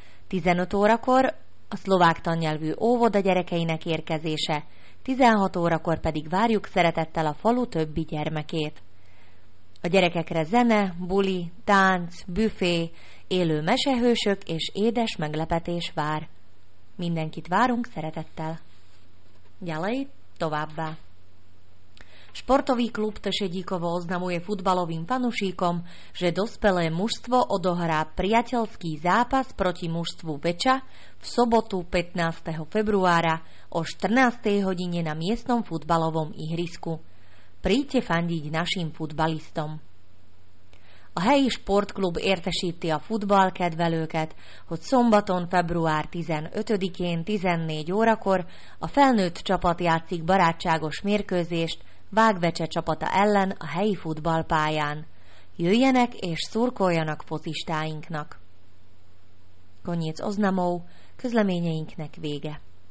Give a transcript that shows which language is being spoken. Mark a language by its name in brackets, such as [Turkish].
[Hungarian] 15 órakor a szlovák tannyelvű óvoda gyerekeinek érkezése, 16 órakor pedig várjuk szeretettel a falu többi gyermekét. A gyerekekre zene, buli, tánc, büfé, élő mesehősök és édes meglepetés vár. Mindenkit várunk szeretettel. Gyalej továbbá. [Slovak] Sportový klub Tešedíkovo oznamuje futbalovým fanušíkom, že dospelé mužstvo odohrá priateľský zápas proti mužstvu Beča v sobotu 15. februára o 14. hodine na miestnom futbalovom ihrisku. Príďte fandiť našim futbalistom. [Hungarian] A helyi sportklub értesíti a futballkedvelőket, hogy szombaton február 15-én 14 órakor a felnőtt csapat játszik barátságos mérkőzést Vágbecse csapata ellen a helyi futballpályán. Jöjjenek és szurkoljanak focistáinknak. [Slovak] Koniec oznamov, [Hungarian] közleményeinknek vége.